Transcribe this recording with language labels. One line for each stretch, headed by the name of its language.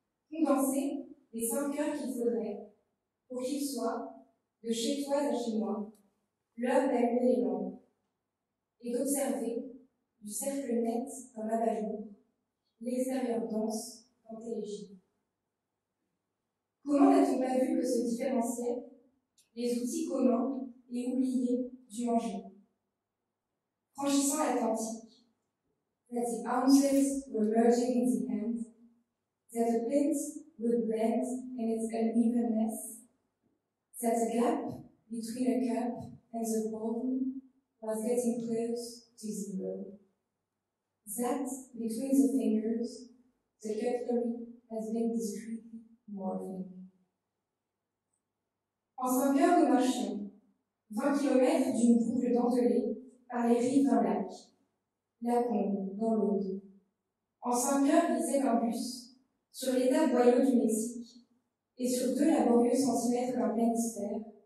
French: Condenser les 5 heures qu'il faudrait pour qu'il soit, de chez toi à chez moi, l'heure d'allumer les lampes et d'observer, du cercle net d'un abat-jour, l'extérieur dense d'un télégide. Comment n'a-t-on pas vu que se différenciaient les outils communs et oubliés du manger? Franchissant l'Atlantique,
English: that the ounces were merging in the hand, that the pint would blend in its unevenness, that the gap between a cup and the bowl was getting close to zero, that between the fingers, the cutlery has been discreetly morphing.
French: En 5 heures, nous marchons 20 kilomètres d'une boucle dentelée par les rives d'un lac. La Combe, dans l'Aude. En 5 heures, glissait un bus sur l'état boyau du Mexique et sur 2 laborieux centimètres d'un planisphère.